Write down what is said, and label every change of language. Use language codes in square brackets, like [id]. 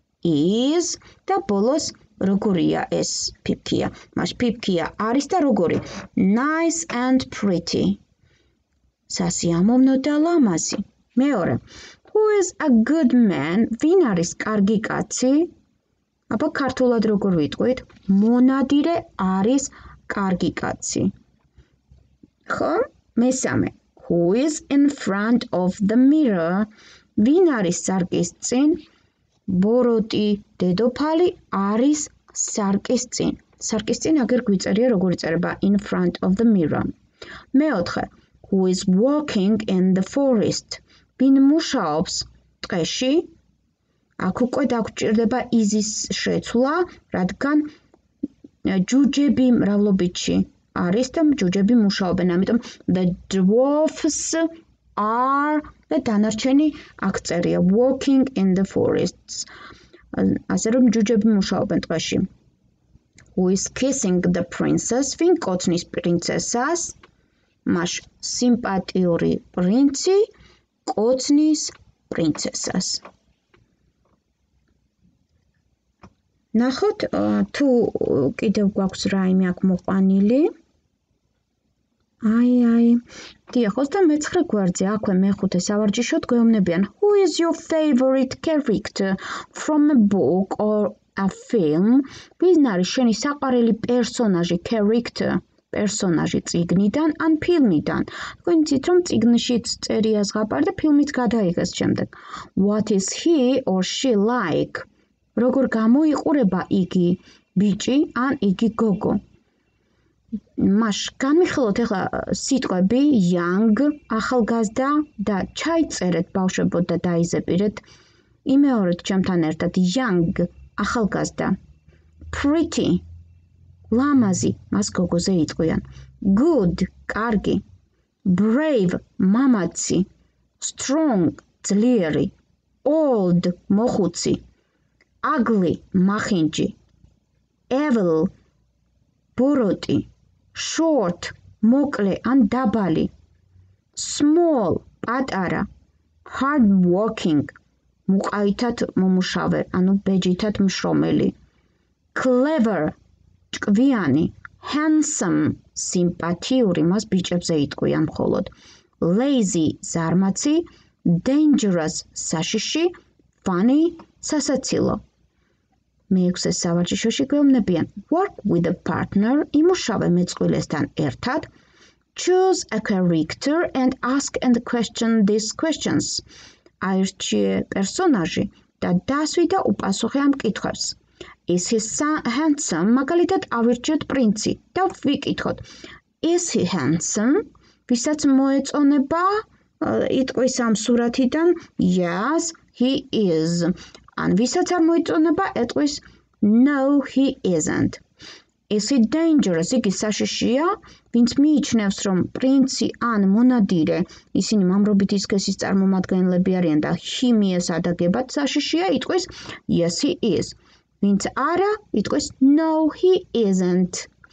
[ka] Is da bolos როგორია ეს ფიფქია? მას ფიფქია არის და როგორი? [en] Nice and pretty. [ka] სასიამოვნო და ლამაზი. მეორე. [en] Who is a good man? [ka] ვინ არის კარგი კაცი? აბა ქართულად როგორ ვიტყვით? მონადირე არის კარგი კაცი. ხო? მესამე. [en] Who is in front of the mirror? [ka] ვინ არის სარკის წინ? ბოროტი დედოფალი არის სარკის წინ. სარკის წინ აგერ გვიწერია როგორი წერება [en] in front of the mirror. [ka] მეოთხე. [en] Who is walking in the forest? [ka] ვინ მუშაობს ტყეში? აქ უკვე დაგვჭირდება იზის შეცვლა, რადგან ჯუჯები მრავლობიტში არის და ჯუჯები მუშაობენ, ამიტომ [en] the dwarfs are [ka] და დანარჩენი აქ წერია [en] walking in the forests. [ka] ასე რომ ჯუჯები მუშაობენ ტყეში. [en] Who is kissing the princess? [ka] ვინ კოცნის პრინცესას? მაშ სიმპატიური პრინცი კოცნის პრინცესას. ნახოთ თუ კიდევ გვაქვს რაიმე აქ მოყვანილი. აი აი. დიახოს და მეცხრე გვარზე აქვე მეხუთე სავარჯიშო გვეუბნებიან. [en] Who is your favorite character from a book or a film? [ka] ვინ არის შენი საყვარელი პერსონაჟი, character, პერსონაჟი წიგნიდან ან ფილმიდან? თქვენ იცით რომ წიგნშიც წერია ზღაპარ და ფილმიც გადაიღეს შემდეგ. [en] What is he or she like? [ka] როგორ გამოიყურება იგი ბიჭი ან იგი გოგო. Маш, განვიხილოთ ახლა სიტყვები young, ახალგაზრდა და ჩაიწერეთ ბავშვებო და დაიზეპირეთ. იმეორეთ ჩემთან ერთად young, ახალგაზრდა. Pretty, ლამაზი, მას გოგოზე იტყვიან. Good, კარგი. Brave, მამაცი. Strong, ძლიერი. Old, მოხუცი. Ugly, მახინჯი. Evil, ბოროტი. Short, მოკლე ან დაბალი. Small, პატარა. Hard working, მუყაითად მომუშავე, ანუ ბეჯითად მშრომელი. Clever, ჭკვიანი. Handsome, სიმპათიური, მას ბიჭებზე იტყვიან მხოლოდ. Lazy, ზარმაცი. Dangerous, საშიში. Funny, სასაცილო. მეექვსე სავარჯიშოში გვეუბნებიან. [en] Work with a partner, [ka] იმუშავე მეწყვილესთან ერთად. [en] Choose a character and ask and question these questions. [ka] აირჩიე პერსონაჟი და დასვი და უპასუხე ამ კითხვებს. [en] Is he handsome? [ka] მაგალითად ავირჩიოთ პრინცი და ვიკითხოთ. [en] Is he handsome? [ka] ვისაც მოეწონება იტყვის ამ სურათიდან. [en] Yes, he is. [ka] ან ვისაც არ მოიწონება, ეტყვის [en] No, he isn't. Is he dangerous? [ka] იგი საშიშია, ვინც მიიჩნევს, რომ პრინცი ან მონადირე, ისინი მამრობით ისქესის წარმომადგენლები არიან და ჰიმიეს ადაგებად საშიშია, იტყვის [en] Yes, he is. [ka] ვინც არა, იტყვის [en] No, he isn't.